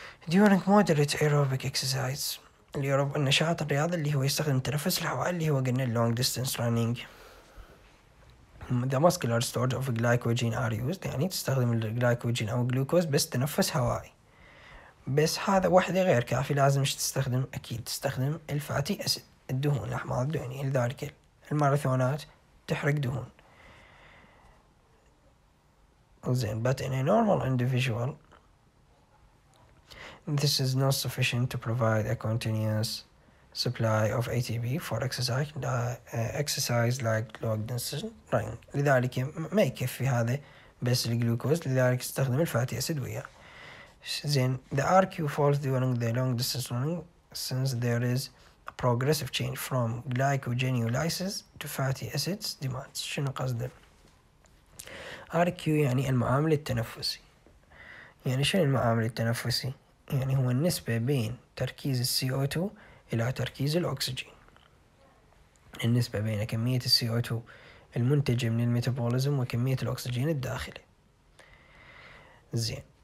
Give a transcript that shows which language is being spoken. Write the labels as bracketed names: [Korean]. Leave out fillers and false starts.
[English] During moderate aerobic exercise [Arabic] اللي يرب النشاط الرياضي اللي هو يستخدم التنفس الهوائي اللي هو قلنا [English] long distance running the muscular storage of glycogen are used [Arabic] يعني تستخدم الجلايكوجين أو الجلوكوز بس تنفس هوائي بس هذا واحدة غير كافي لازم مش تستخدم أكيد تستخدم الفاتي أسيد الدهون الأحماض الدهنية لذلك الماراثونات تحرق دهون. [English] زين but in a normal individual this is not sufficient to provide a continuous supply of ATP for exercise like long distance running [Arabic] لذلك ما يكفي هذا بس الجلوكوز لذلك استخدم الفاتي أسيد وياه. [English] Then the RQ falls during the long distance running since there is a progressive change from glycogenolysis to fatty acids demands. [Arabic] شنو قصده؟ RQ يعني المعامل التنفسي. يعني شنو المعامل التنفسي؟ يعني هو النسبة بين تركيز CO2 إلى تركيز الأكسجين. النسبة بين كمية CO2 المنتجة من الميتابوليزم وكمية الأكسجين الداخلي. زين.